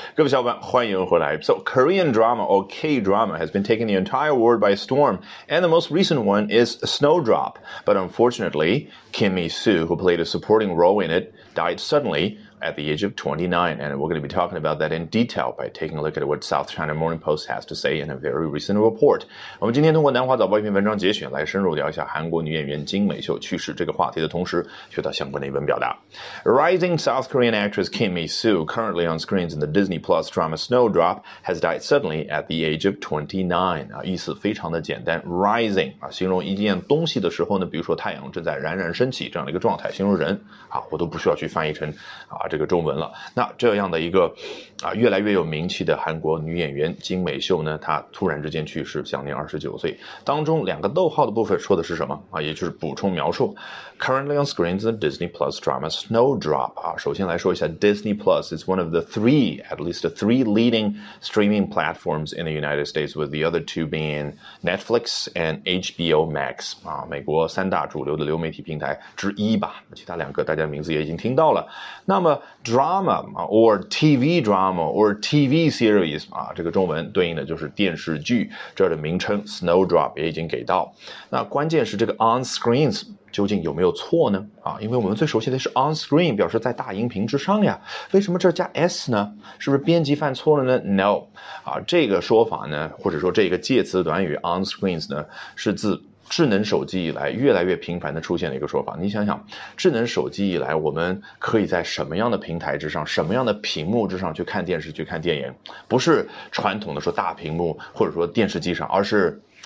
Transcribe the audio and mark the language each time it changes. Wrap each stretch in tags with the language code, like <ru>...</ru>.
<zh>各位小伙伴，欢迎回来。</zh> <en>So, Korean drama or K-drama has been taking the entire world by storm, and the most recent one is Snowdrop. But unfortunately, Kim Mi-soo, who played a supporting role in it, died suddenly at the age of 29. And we're going to be talking about that in detail by taking a look at what South China Morning Post has to say in a very recent report.</en> <zh>我们今天通过南华早报一篇文章节选来深入聊一下韩国女演员金美秀去世这个话题的同时学到相关的一文表达。</zh> <en>Rising South Korean actress Kim Mi-soo, currently on screens in the Disney Plus drama Snowdrop, has died suddenly at the age of 29.</en> <zh>意思非常的简单 ,rising, 形容一件东西的时候呢比如说太阳正在冉冉升起这样的一个状态形容人我都不需要去翻译成这个中文了。那这样的一个越来越有名气的韩国女演员金美秀呢她突然之间去世享年29岁。当中两个逗号的部分说的是什么也就是补充描述。</zh> <en>Currently on screens in Disney Plus drama Snowdrop,</en> <zh>首先来说一下</zh> <en>Disney Plus is one of the three, at least the three leading streaming platforms in the United States, with the other two being Netflix and HBO Max,</en> <zh>美国三大主流的流媒体平台之一吧。其他两个大家的名字也已经听到了。那么 drama, or TV drama, or TV series, 这个中文对应的就是电视剧，这儿的名称 Snowdrop 也已经给到。那关键是这个 on screens,究竟有没有错呢因为我们最熟悉的是 on screen 表示在大荧屏之上呀为什么这加 s 呢是不是编辑犯错了呢 no 这个说法呢或者说这个介词短语 on screens 呢是自智能手机以来越来越频繁的出现的一个说法你想想智能手机以来我们可以在什么样的平台之上什么样的屏幕之上去看电视去看电影不是传统的说大屏幕或者说电视机上而是</zh>